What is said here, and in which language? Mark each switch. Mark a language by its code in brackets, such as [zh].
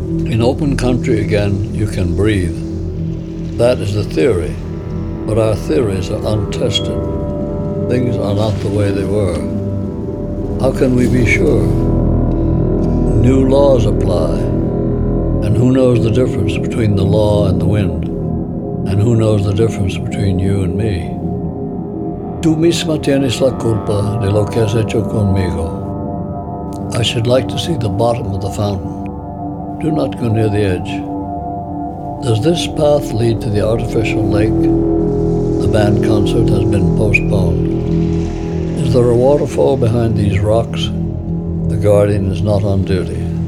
[en] In open country again, you can breathe. That is the theory, but our theories are untested. Things are not the way they were. How can we be sure? New laws apply. And who knows the difference between the law and the wind? And who knows the difference between you and me? [es] Tú misma tienes la culpa de lo que has hecho conmigo. [en] I should like to see the bottom of the fountain. Do not go near the edge. Does this path lead to the artificial lake? The band concert has been postponed. Is there a waterfall behind these rocks? The guardian is not on duty.